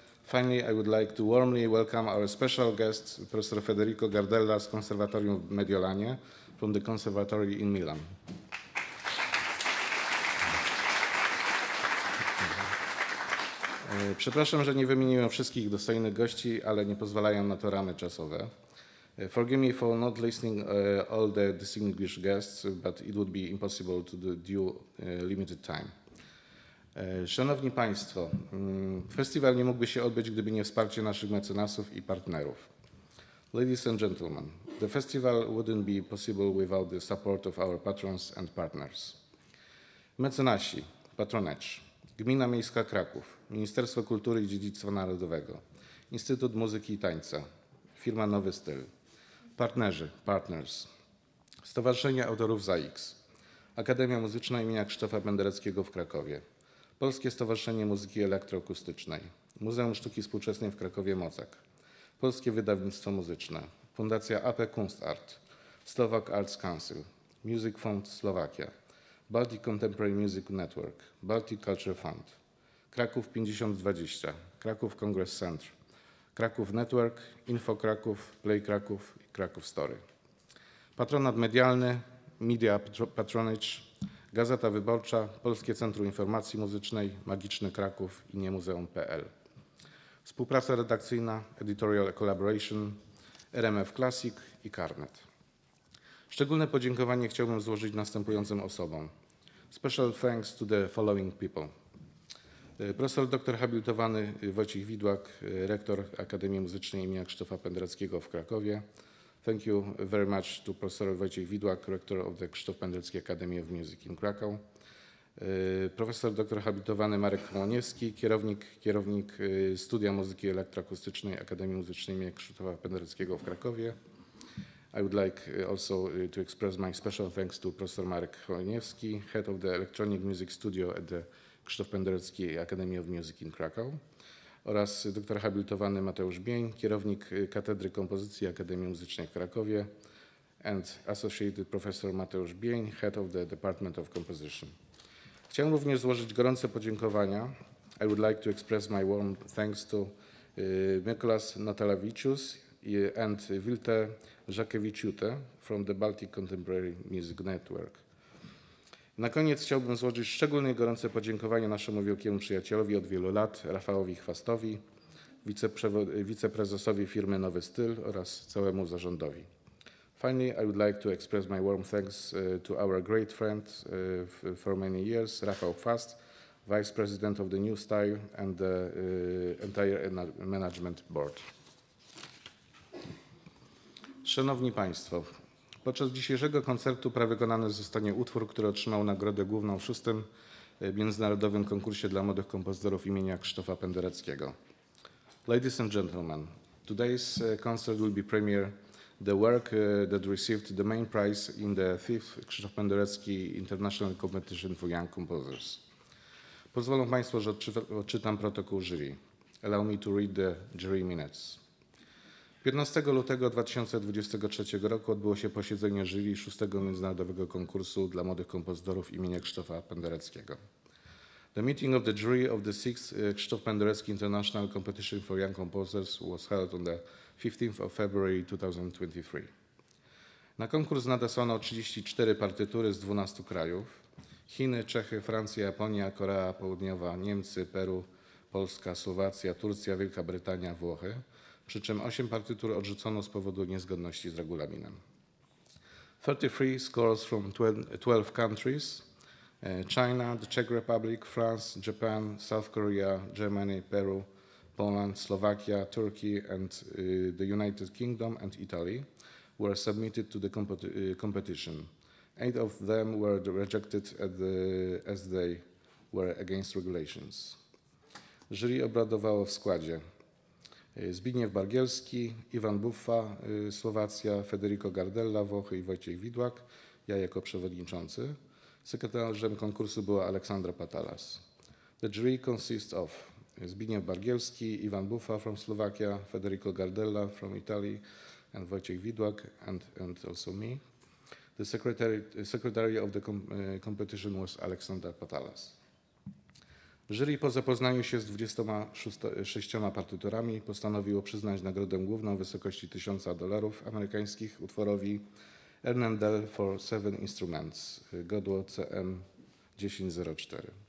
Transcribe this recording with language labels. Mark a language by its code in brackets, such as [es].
[en] Finally, I would like to warmly welcome our special guest, profesor Federico Gardella [pl] z Konserwatorium w Mediolanie, [en] from the Conservatory in Milan. [pl] Przepraszam, że nie wymieniłem wszystkich dostojnych gości, ale nie pozwalają na to ramy czasowe. [en] Forgive me for not listing all the distinguished guests, but it would be impossible to do due limited time. [pl] Szanowni Państwo, festiwal nie mógłby się odbyć, gdyby nie wsparcie naszych mecenasów i partnerów. [en] Ladies and gentlemen, the festival wouldn't be possible without the support of our patrons and partners. [pl] Mecenasi, patronage. Gmina Miejska Kraków, Ministerstwo Kultury i Dziedzictwa Narodowego, Instytut Muzyki i Tańca, firma Nowy Styl, partnerzy, partners, Stowarzyszenie Autorów ZAIKS, Akademia Muzyczna im. Krzysztofa Pendereckiego w Krakowie, Polskie Stowarzyszenie Muzyki Elektroakustycznej, Muzeum Sztuki Współczesnej w Krakowie Mozak, Polskie Wydawnictwo Muzyczne, Fundacja AP Kunstart, Slovak Arts Council, Music Fund Slovakia, Baltic Contemporary Music Network, Baltic Culture Fund, Kraków 5020, Kraków Congress Center, Kraków Network, Info Kraków, Play Kraków i Kraków Story. Patronat medialny, [en] Media Patronage, [pl] Gazeta Wyborcza, Polskie Centrum Informacji Muzycznej, Magiczny Kraków i Niemuzeum.pl. Współpraca redakcyjna, [en] Editorial Collaboration, [pl] RMF Classic i Karnet. Szczególne podziękowanie chciałbym złożyć następującym osobom. [en] Special thanks to the following people. [pl] Profesor doktor habilitowany Wojciech Widłak, rektor Akademii Muzycznej im. Krzysztofa Pendereckiego w Krakowie. [en] Thank you very much to profesor Wojciech Widłak, rektor of the Krzysztof Penderecki Academy of Music in Krakow. [pl] Profesor doktor habilitowany Marek Chłoniewski, kierownik Studia Muzyki Elektroakustycznej Akademii Muzycznej im. Krzysztofa Pendereckiego w Krakowie. [en] I would like also to express my special thanks to Professor Marek Chojniewski, head of the Electronic Music Studio at the Krzysztof Penderecki Academy of Music in Krakow, [pl] oraz doktor habilitowany Mateusz Bień, kierownik Katedry Kompozycji Akademii Muzycznej w Krakowie, [en] and associated professor Mateusz Bień, head of the Department of Composition. [pl] Chciałem również złożyć gorące podziękowania. [en] I would like to express my warm thanks to Mikolas Natalavičius and Vilte Žakevičiūtė from the Baltic Contemporary Music Network. [pl] Na koniec chciałbym złożyć szczególnie gorące podziękowania naszemu wielkiemu przyjacielowi od wielu lat, Rafałowi Chwastowi, wiceprezesowi firmy Nowy Styl oraz całemu zarządowi. [en] Finally, I would like to express my warm thanks to our great friend for many years, Rafał Chwast, Vice President of the New Style and the entire Management Board. [pl] Szanowni Państwo, podczas dzisiejszego koncertu prawykonany zostanie utwór, który otrzymał Nagrodę Główną w 6. Międzynarodowym Konkursie dla Młodych Kompozytorów imienia Krzysztofa Pendereckiego. [en] Ladies and gentlemen, today's concert will be premiere the work that received the main prize in the 5th Krzysztof Penderecki International Competition for Young Composers. [pl] Pozwolą Państwo, że odczytam protokół jury. [en] Allow me to read the jury minutes. [pl] 15 lutego 2023 roku odbyło się posiedzenie jury 6. Międzynarodowego Konkursu dla Młodych Kompozytorów imienia Krzysztofa Pendereckiego. [en] The meeting of the jury of the 6th Krzysztof Penderecki International Competition for Young Composers was held on the 15th of February 2023. [pl] Na konkurs nadesłano 34 partytury z 12 krajów. Chiny, Czechy, Francja, Japonia, Korea Południowa, Niemcy, Peru, Polska, Słowacja, Turcja, Wielka Brytania, Włochy. Przy czym 8 partytur odrzucono z powodu niezgodności z regulaminem. [en] 33 scores from 12 countries. China, the Czech Republic, France, Japan, South Korea, Germany, Peru, Poland, Slovakia, Turkey and the United Kingdom and Italy were submitted to the competition. 8 of them were rejected as they were against regulations. [pl] Jury obradowało w składzie Zbigniew Bargielski, Iwan Buffa, Słowacja, Federico Gardella, Włochy i Wojciech Widłak, ja jako przewodniczący. Sekretarzem konkursu była Aleksandra Patalas. [en] The jury consists of Zbigniew Bargielski, Iwan Buffa from Slovakia, Federico Gardella from Italy, and Wojciech Widłak, and also me. The secretary of the competition was Aleksandra Patalas. [pl] Jury po zapoznaniu się z 26 partyturami postanowiło przyznać Nagrodę Główną w wysokości $1000 amerykańskich utworowi Hernandel for Seven Instruments, godło CM1004.